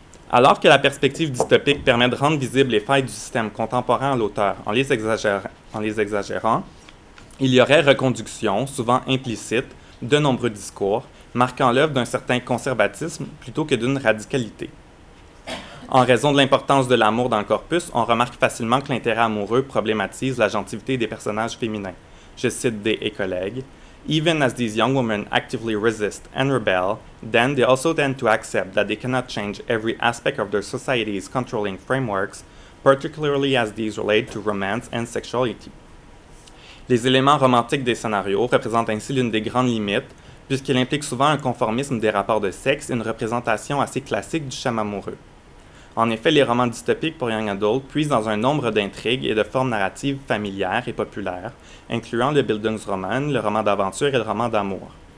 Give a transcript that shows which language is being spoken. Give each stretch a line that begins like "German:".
French: Alors que la perspective dystopique permet de rendre visibles les failles du système contemporain à l'auteur en les exagérant, il y aurait reconduction, souvent implicite, de nombreux discours, marquant l'œuvre d'un certain conservatisme plutôt que d'une radicalité. En raison de l'importance de l'amour dans le corpus, on remarque facilement que l'intérêt amoureux problématise la gentilité des personnages féminins. Je cite Day et collègues.
English: Even as these young women actively resist and rebel, then they also tend to accept that they cannot change every aspect of their society's controlling frameworks, particularly as these relate to romance and sexuality.
French: Les éléments romantiques des scénarios représentent ainsi l'une des grandes limites, puisqu'il implique souvent un conformisme des rapports de sexe et une représentation assez classique du schéma amoureux. En effet, les romans dystopiques pour young adults puisent dans un nombre d'intrigues et de formes narratives familières et populaires, incluant le Bildungsroman, le roman d'aventure et le roman d'amour.